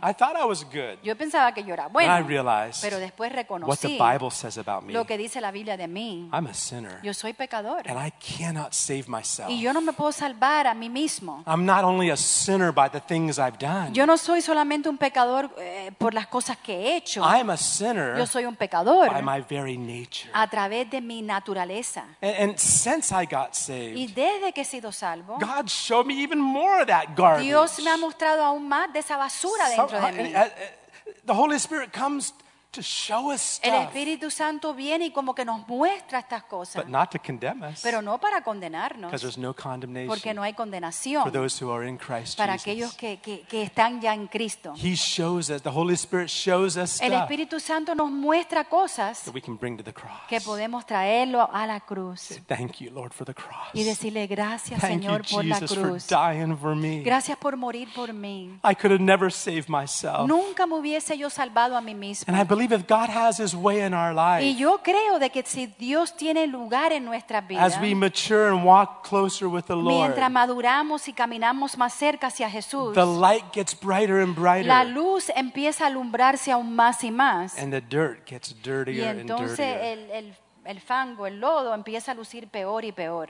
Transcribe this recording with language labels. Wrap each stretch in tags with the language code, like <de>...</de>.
<en>I thought I was good.</en> <es>Yo pensaba que yo era bueno.</es> <en>And I realized,</en> <es>pero después reconocí,</es> <en>what the Bible says about me.</en> <es>Lo que dice la Biblia de mí.</es> <en>I'm a sinner.</en> <es>Yo soy pecador.</es> <en>And I cannot save myself.</en> <es>Y yo no me puedo salvar a mí mismo.</es> <en>I'm not only a sinner by the things I've done.</en> <es>Yo no soy solamente un pecador por las cosas que he hecho.</es> <en>I'm a sinner.</en> <es>Yo soy un pecador.</es> <en>By my very nature.</en> <es>A través de mi naturaleza.</es> <en>And since I got saved.</en> <es>Y desde que he sido salvo.</es> <en>God showed me even more of that garbage.</en> <es>Dios me ha mostrado aún más de esa basura dentro de mí.</es> <en>The Holy Spirit comes to show us stuff.</en> <es>El Espíritu Santo viene y como que nos muestra estas cosas.</es> <en>But not to condemn us.</en> <es>Pero no para condenarnos.</es> <en>Because there's no condemnation.</en> <es>Porque no hay condenación.</es> <en>For those who are in Christ</en> <es>para</es> <en>Jesus.</en> <es>Aquellos que están ya en Cristo.</es> <en>He shows us. The Holy Spirit shows us stuff.</en> <es>El Espíritu Santo nos muestra cosas</es> <en>that we can bring to the cross.</en> <es>Que podemos traerlo a la cruz.</es> <en>Say, thank you, Lord, for the cross.</en> <es>Y decirle gracias,</es> <en>thank</en> <es>Señor,</es> <en>you,</en> <es>por</es> <en>Jesus,</en> <es>la cruz.</es> <en>For dying for me.</en> <es>Gracias por morir por mí.</es> <en>I could have never saved myself.</en> <es>Nunca me hubiese yo salvado a mí mismo.</es> <en>And I believe if God has His way in our life,</en> <es>y yo creo de que si Dios tiene lugar en nuestras vidas,</es> <en>as we mature and walk closer with the Lord,</en> <es>mientras maduramos y caminamos más cerca hacia Jesús,</es> <en>the light gets brighter and brighter,</en> <es>la luz empieza a alumbrarse aún más y más,</es> <en>and the dirt gets dirtier</en> <es>y entonces</es> <en>and dirtier.</en> <es>El fango, el lodo empieza a lucir peor y peor.</es>